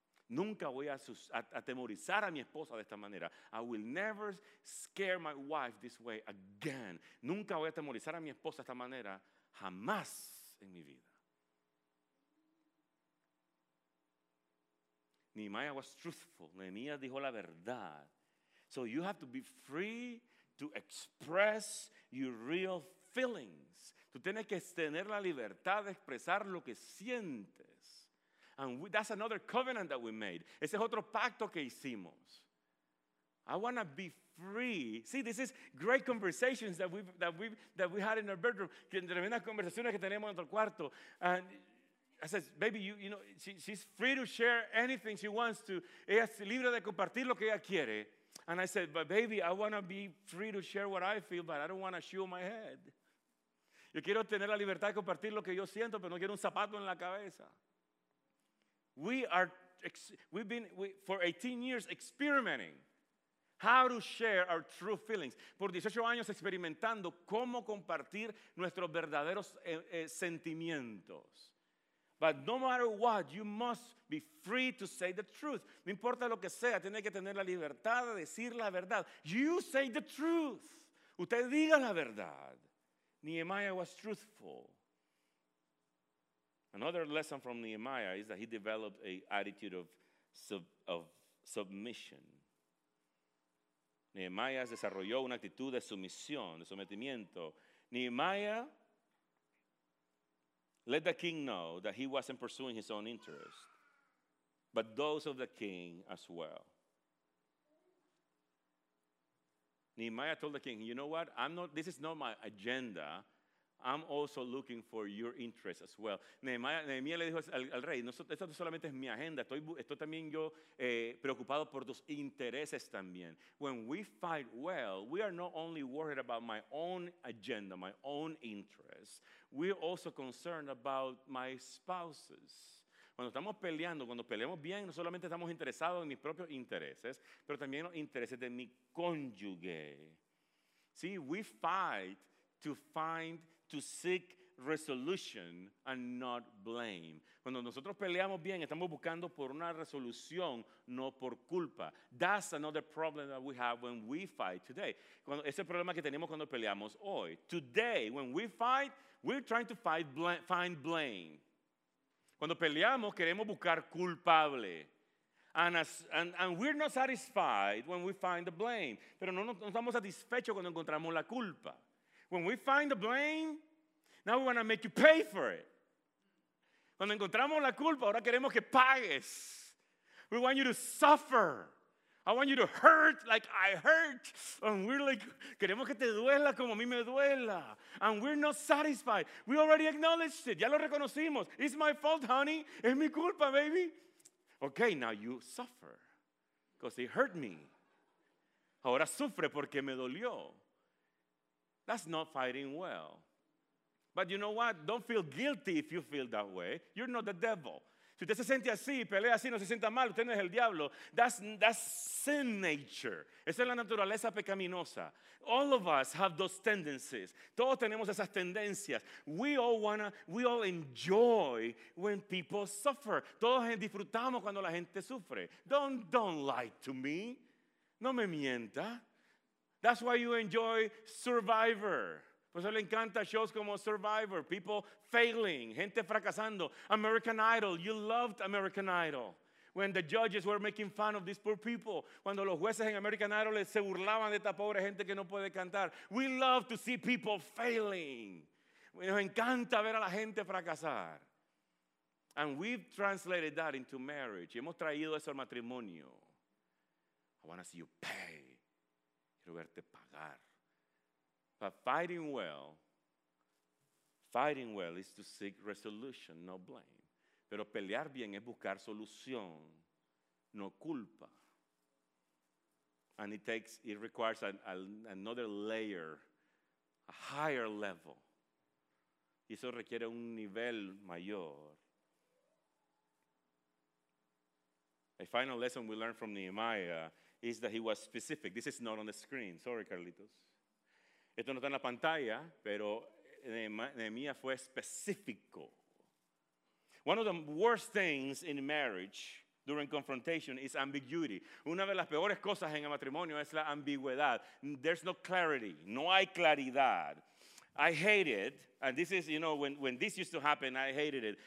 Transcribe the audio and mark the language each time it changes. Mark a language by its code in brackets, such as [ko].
[es] Nunca voy a atemorizar a mi esposa de esta manera. [en] I will never scare my wife this way again. [es] Nunca voy a atemorizar a mi esposa de esta manera jamás en mi vida. [en] Nehemiah was truthful. [es] Nehemiah dijo la verdad. [en] So you have to be free to express your real feelings. [es] Tú tienes que tener la libertad de expresar lo que sientes. [en] And we, that's another covenant that we made. [es] Ese es otro pacto que hicimos. [en] I want to be free. See, this is great conversations that we had in our bedroom. [es] Tremendas conversaciones que tenemos en nuestro cuarto. [en] And I said, baby, she's free to share anything she wants to. [es] Ella es libre de compartir lo que ella quiere. [en] And I said, but baby, I want to be free to share what I feel, but I don't want a shoe on my head. [es] Yo quiero tener la libertad de compartir lo que yo siento, pero no quiero un zapato en la cabeza. [en] We've been for 18 years experimenting how to share our true feelings. [es] Por 18 años experimentando cómo compartir nuestros verdaderos sentimientos. [en] But no matter what, you must be free to say the truth. [es] No importa lo que sea, tiene que tener la libertad de decir la verdad. [en] You say the truth. [es] Usted diga la verdad. [en] Nehemiah was truthful. Another lesson from Nehemiah is that he developed an attitude of submission. [es] Nehemiah desarrolló una actitud de sumisión, de sometimiento. [en] Nehemiah let the king know that he wasn't pursuing his own interest, but those of the king as well. Nehemiah told the king, you know what? This is not my agenda. I'm also looking for your interest as well. [es] Nehemiah le dijo al rey, esto no solamente es mi agenda, estoy también yo preocupado por tus intereses también. [en] When we fight well, we are not only worried about my own agenda, my own interests, we're also concerned about my spouses. [es] Cuando estamos peleando, cuando peleamos bien, no solamente estamos interesados en mis propios intereses, pero también los intereses de mi cónyuge. [en] See, we fight to seek resolution and not blame. [es] Cuando nosotros peleamos bien, estamos buscando por una resolución, no por culpa. [en] That's another problem that we have when we fight today. [es] Ese es el problema que tenemos cuando peleamos hoy. [en] Today, when we fight, we're trying to find blame. [es] Cuando peleamos, queremos buscar culpable. [en] And we're not satisfied when we find the blame. [es] Pero no estamos satisfechos cuando encontramos la culpa. [en] When we find the blame, now we want to make you pay for it. [es] Cuando encontramos la culpa, ahora queremos que pagues. [en] We want you to suffer. I want you to hurt like I hurt. And we're like, [es] queremos que te duela como a mí me duela. [en] And we're not satisfied. We already acknowledged it. [es] Ya lo reconocimos. [en] It's my fault, honey. [es] Es mi culpa, baby. [en] Okay, now you suffer because it hurt me. [es] Ahora sufre porque me dolió. [en] That's not fighting well. But you know what? Don't feel guilty if you feel that way. You're not the devil. [es] Si usted se siente así, pelea así, no se sienta mal, usted no es el diablo. [en] That's sin nature. [es] Esa es la naturaleza pecaminosa. [en] All of us have those tendencies. [es] Todos tenemos esas tendencias. [en] We all enjoy when people suffer. [es] Todos disfrutamos cuando la gente sufre. [en] Don't lie to me. [es] No me mienta. [en] That's why you enjoy Survivor. [es] Por eso le encanta shows como Survivor, [en] people failing, [es] gente fracasando. [en] American Idol, you loved American Idol. When the judges were making fun of these poor people. [es] Cuando los jueces en American Idol se burlaban de esta pobre gente que no puede cantar. [en] We love to see people failing. [es] Nos encanta ver a la gente fracasar. [en] And we've translated that into marriage. [es] Y hemos traído eso al matrimonio. [en] I want to see you pay. [es] Quiero verte pagar. [en] But fighting well is to seek resolution, no blame. [es] Pero pelear bien es buscar solución, no culpa. [en] And it requires another layer, a higher level. [es] Y eso requiere un nivel mayor. [en] A final lesson we learned from Nehemiah is that he was specific. This is not on the screen. Sorry, Carlitos. [es] Esto no está en la pantalla, pero Nehemiah fue específico. [en] One of the worst things in marriage during confrontation is ambiguity. [es] Una de las peores cosas en el matrimonio es la ambigüedad. [en] There's no clarity. [es] No hay claridad. [en] I hate it. And this is, you know, when this used to happen, I hated it.